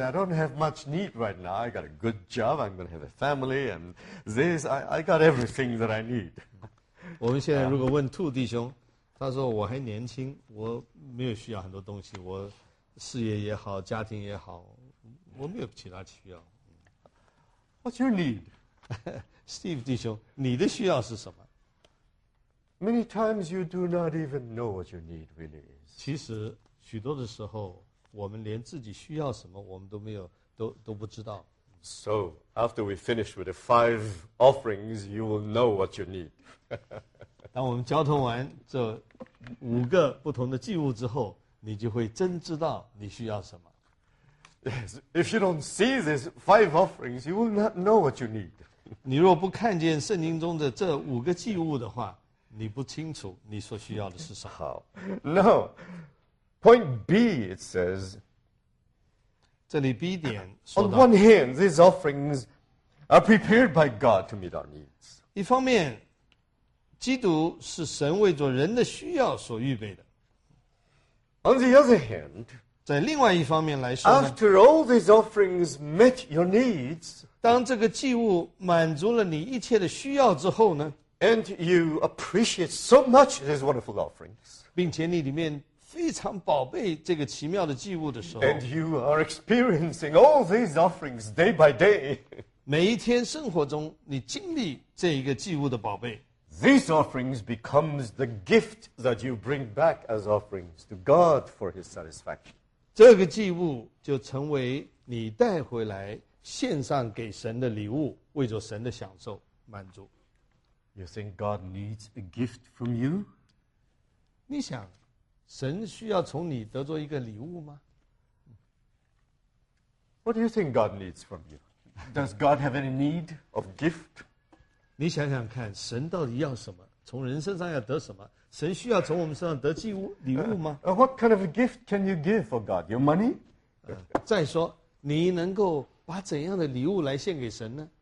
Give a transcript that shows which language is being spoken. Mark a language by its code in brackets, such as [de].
[en] I don't have much need right now. I got a good job. I'm going to have a family, and this, I got everything that I need. [zh] 我们现在如果问 two 弟兄，他说我还年轻，我没有需要很多东西，我事业也好，家庭也好，我没有其他需要。 [en] What's your need, [zh] Steve 弟兄？你的需要是什么？ [en] Many times you do not even know what your need really is. [zh] 其实许多的时候，我们连自己需要什么，我们都没有，都不知道。 [en] So after we finish with the five offerings, you will know what you need. [zh] 当我们交通完这五个不同的祭物之后，你就会真知道你需要什么。 [en] Yes, if you don't see these five offerings, you will not know what you need. [zh] 你若不看见圣经中的这五个祭物的话。你不清楚你所需要的是什么。 [en] 好 ，No. Point B, it says. [zh] 这里 B 点说到。 [en] On one hand, these offerings are prepared by God to meet our needs. [zh] 一方面，基督是神为着人的需要所预备的。 [en] On the other hand, [zh] 在另外一方面来说呢 [en] ，After all these offerings met your needs, [zh] 当这个祭物满足了你一切的需要之后呢？ [en] And you appreciate so much these wonderful offerings. [zh] 并且你里面非常宝贝这个奇妙的祭物的时候。 [en] And you are experiencing all these offerings day by day. [zh] 每一天生活中你经历这一个祭物的宝贝。 [en] These offerings become the gift that you bring back as offerings to God for his satisfaction. [zh] 这个祭物就成为你带回来献上给神的礼物，为着神的享受满足。 [en] You think God needs a gift from you? [zh] 你想神需要从你得着一个礼物吗？ [en] What do you think God needs from you? Does God have any need of gift? [zh] 你想想看，神到底要什么？从人身上要得什么？神需要从我们身上得祭物礼物吗？ [en] What kind of a gift can you give for God? Your money? [zh] 再说，你能够把怎样的礼物来献给神呢？